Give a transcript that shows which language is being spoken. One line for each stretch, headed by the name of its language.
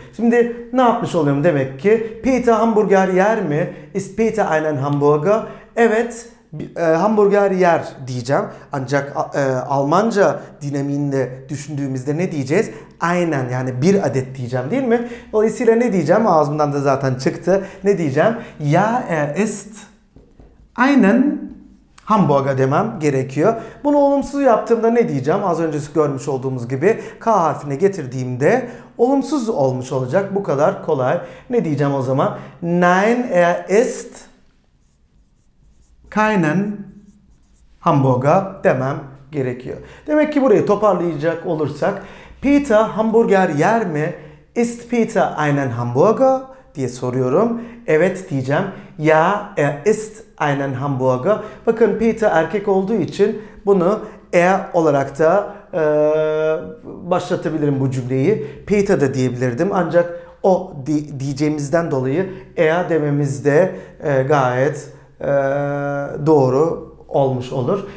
Turkish: Şimdi ne yapmış oluyorum demek ki? Peter hamburger yer mi?
German: Ist Peter einen Hamburger?
Turkish: Evet, Hamburger yer diyeceğim. Ancak Almanca dinamiğinde düşündüğümüzde ne diyeceğiz? Aynen, yani bir adet diyeceğim, değil mi? Dolayısıyla ne diyeceğim? Ağzımdan da zaten çıktı. Ne diyeceğim?
German: Ya er ist einen Hamburger
Turkish: demem gerekiyor. Bunu olumsuz yaptığımda ne diyeceğim? Az önce görmüş olduğumuz gibi K harfine getirdiğimde olumsuz olmuş olacak. Bu kadar kolay. Ne diyeceğim o zaman?
German: Nein, er ist keinen Hamburger
Turkish: demem gerekiyor. Demek ki burayı toparlayacak olursak, Peter hamburger yer mi?
German: Ist Peter einen Hamburger
Turkish: diye soruyorum. Evet diyeceğim.
German: Ja, er ist einen Hamburger.
Turkish: Bakın, Peter erkek olduğu için bunu er olarak da başlatabilirim bu cümleyi. Peter da diyebilirdim. Ancak o diyeceğimizden dolayı er dememiz de gayet doğru olmuş olur.